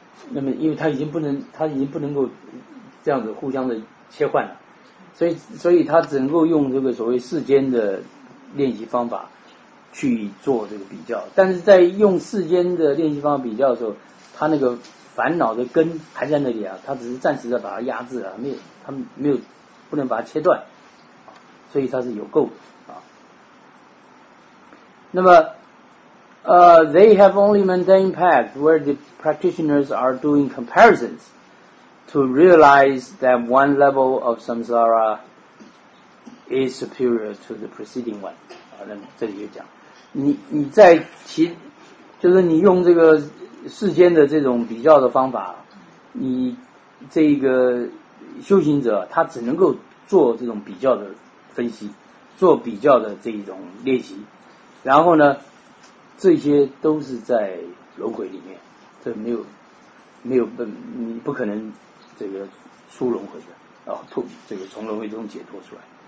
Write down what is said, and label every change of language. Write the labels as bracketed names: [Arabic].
[Chinese] 那么因为他已经不能够这样子互相的切换了，所以他只能够用这个所谓世间的练习方法去做这个比较，但是在用世间的练习方法比较的时候，他那个烦恼的根还在那里啊，他只是暂时的把它压制了，他没有不能把它切断。所以它是有垢的啊。 [English] 那么they have only mundane path where the practitioners are doing comparisons to realize that one level of samsara is superior to the preceding one. [Chinese] 啊，那么这里就讲你在其就是你用这个世间的这种比较的方法，你这个修行者他只能够做这种比较的分析，做比较的这一种练习，然后呢，这些都是在轮回里面，这没有你不可能这个出轮回的啊，这个从轮回中解脱出来。